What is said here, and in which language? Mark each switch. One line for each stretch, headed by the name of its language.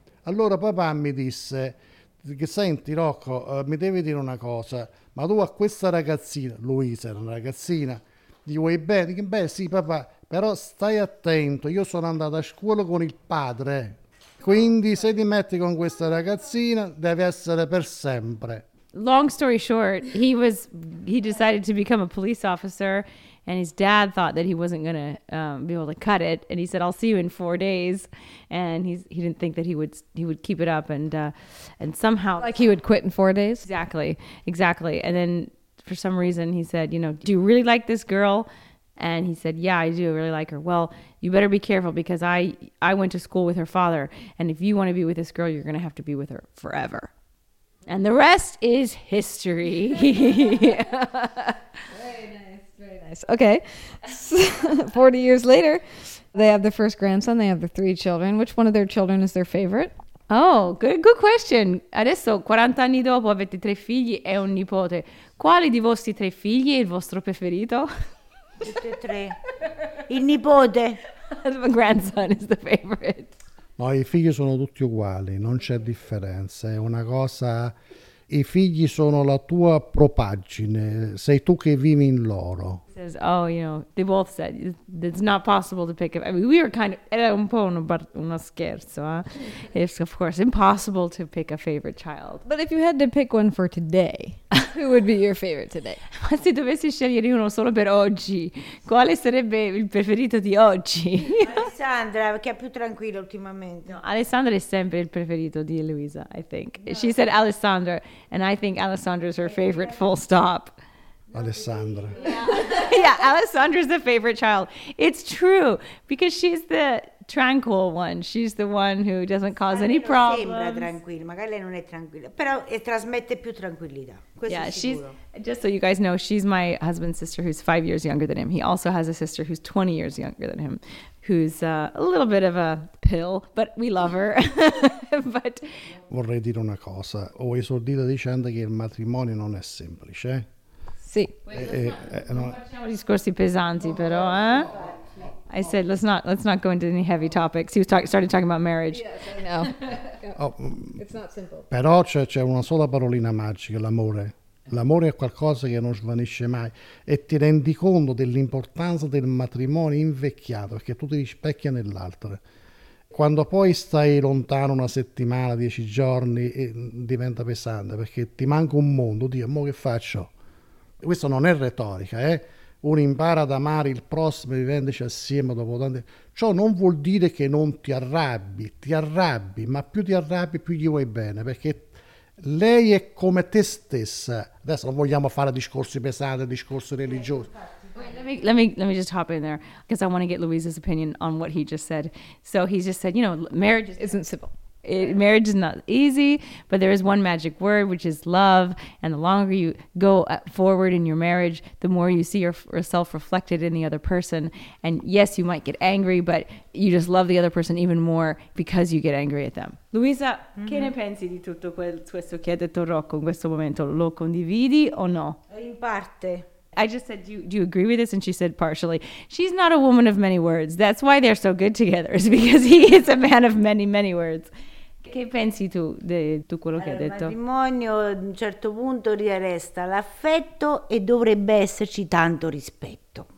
Italian: Allora papà mi disse: senti Rocco, mi devi dire una cosa, ma tu a questa ragazzina, Luisa era una ragazzina, gli vuoi bene? Dico: beh sì papà, però stai attento, io sono andato a scuola con il padre, quindi se ti metti con questa ragazzina deve essere per sempre.
English: Long story short, he decided to become a police officer, and his dad thought that he wasn't going to be able to cut it, and he said, I'll see you in 4 days, and he didn't think that he would keep it up, and somehow... Like he would quit in 4 days? Exactly, and then for some reason he said, you know, do you really like this girl? And he said, yeah, I do really like her. Well, you better be careful, because I went to school with her father, and if you want to be with this girl, you're going to have to be with her forever. And the rest is history. very nice. Okay. So, 40 years later, they have the first grandson. They have the 3 children. Which one of their children is their favorite? Oh, good question.
Italian: Adesso, 40 anni dopo, avete 3 figli e un nipote. Quali di vostri 3 figli è il vostro preferito? Tutti e 3. Il nipote.
English: The grandson is the favorite.
Italian: No, i figli sono tutti uguali, non c'è differenza, è una cosa, i figli sono la tua propaggine, sei tu che vivi in loro.
English: He says, oh, you know, they both said, it's not possible to pick up, I mean, we were kind of,
Italian: era un po' uno scherzo, eh?
English: It's of course impossible to pick a favorite child. But if you had to pick one for today, who would be your favorite today?
Italian: Ma se dovessi scegliere uno solo per oggi, quale sarebbe il preferito di oggi? Alessandra, che è più tranquilla ultimamente. No, Alessandra è sempre il preferito di Luisa,
English: I think.
Italian: No.
English: She said Alessandra, and I think Alessandra's her favorite, full stop. Alessandra. Yeah, Alessandra's the favorite child. It's true, because she's the tranquil one. She's the one who doesn't cause any problems.
Italian: Sembra tranquilla, magari lei non è tranquilla, però trasmette più tranquillità. Questo
English: yeah,
Italian: è
English: she's just so you guys know, she's my husband's sister, who's 5 years younger than him. He also has a sister who's 20 years younger than him, who's a little bit of a pill, but we love her. But
Italian: vorrei dire una cosa. Ho esordito dicendo che il matrimonio non è semplice. Sì. Non facciamo discorsi pesanti, però, eh?
English: I said, let's not go into any heavy topics. He was started talking about marriage. Yes, I know. Yeah. Oh, it's not simple.
Italian: Però c'è una sola parolina magica, l'amore. L'amore è qualcosa che non svanisce mai. E ti rendi conto dell'importanza del matrimonio invecchiato, perché tu ti rispecchi nell'altro. Quando poi stai lontano una settimana, 10 giorni, diventa pesante, perché ti manca un mondo. Dio, mo che faccio? Questo non è retorica, eh? Uno impara ad amare il prossimo vivendoci assieme dopo tante. Ciò non vuol dire che non ti arrabbi, ma più ti arrabbi più gli vuoi bene, perché lei è come te stessa. Adesso non vogliamo fare discorsi pesanti, discorsi religiosi.
English: Let me just hop in there, because I want to get Louise's opinion on what he just said. So he just said, you know, marriage isn't simple. Marriage is not easy, but there is one magic word, which is love. And the longer you go forward in your marriage, the more you see yourself reflected in the other person. And yes, you might get angry, but you just love the other person even more because you get angry at them. Luisa, mm-hmm.
Italian: Che ne pensi di tutto questo che ha detto Rocco in questo momento? Lo condividi o no? In parte.
English: I just said, do you agree with this? And she said, partially. She's not a woman of many words. That's why they're so good together, is because he is a man of many, many words.
Italian: Che pensi tu di quello che ha detto? Il matrimonio a un certo punto riresta l'affetto e dovrebbe esserci tanto rispetto.